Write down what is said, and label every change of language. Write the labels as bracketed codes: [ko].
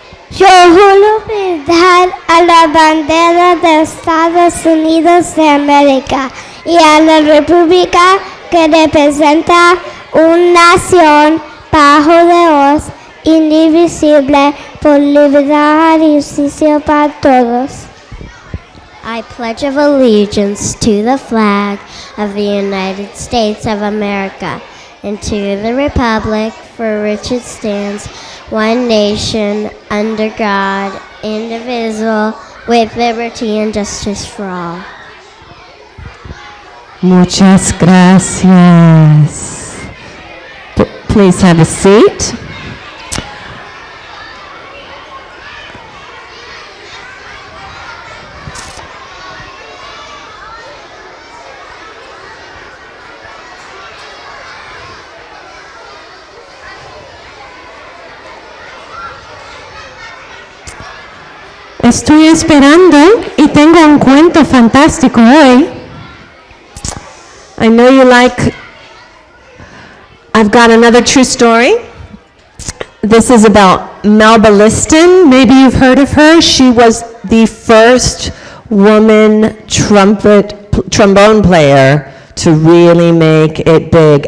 [es] Yo juro fidelidad a la bandera de Estados Unidos de América y a la República que representa una nación bajo Dios, indivisible, por libertad y justicia para todos. [en] I pledge of allegiance to the flag of the United States of America and to the Republic for which it stands, one nation, under God, indivisible, with liberty and justice for all. [es] Muchas gracias. [en] Please have a seat. [es] Estoy esperando y tengo un cuento fantástico hoy. [en] I know you like, I've got another true story. This is about Melba Liston. Maybe you've heard of her. She was the first woman trombone player to really make it big.